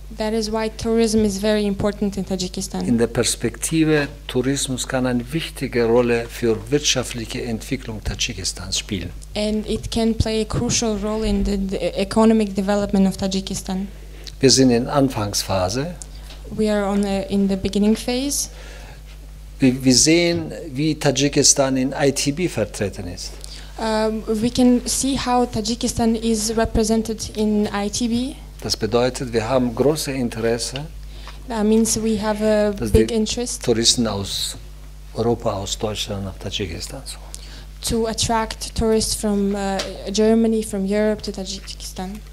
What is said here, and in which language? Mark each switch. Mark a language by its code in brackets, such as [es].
[en] That is why tourism is very important in Tajikistan. [de] In der Perspektive, Tourismus kann eine wichtige Rolle für wirtschaftliche Entwicklung Tadschikistans spielen. [en] And it can play a crucial role in the economic development of Tajikistan. [de] Wir sind in Anfangsphase. [en] We are in the beginning phase. [de] Wir sehen, wie Tadschikistan in ITB vertreten ist. [en] We can see how Tajikistan is represented in ITB. [de] Das bedeutet, wir haben große Interesse. [en] That means we have a big interest. [de] Touristen aus Europa, aus Deutschland nach Tadschikistan. [en] to attract tourists from Germany, from Europe to Tajikistan?